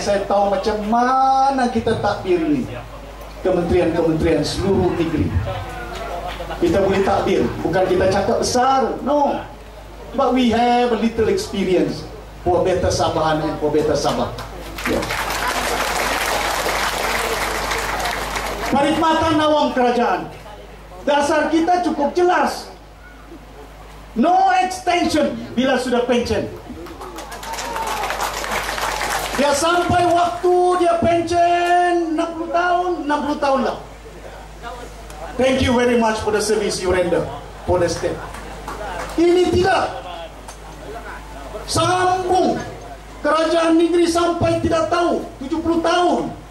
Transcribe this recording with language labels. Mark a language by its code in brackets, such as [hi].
[ms] Saya tahu macam mana kita takbir ini. Kementerian-kementerian seluruh negeri. Kita boleh takbir, bukan kita cakap besar, no. [en] But we have a little experience for better Sabah and for better Sabah. Yeah. [ms] Perkhidmatan awam kerajaan. Dasar kita cukup jelas. No extension bila sudah pension. Dia sampai waktu dia pension 60 tahun, 60 tahun lah. [en] Thank you very much for the service you render for the state. [ms] Ini tidak sambung kerajaan negeri sampai tidak tahu 70 tahun.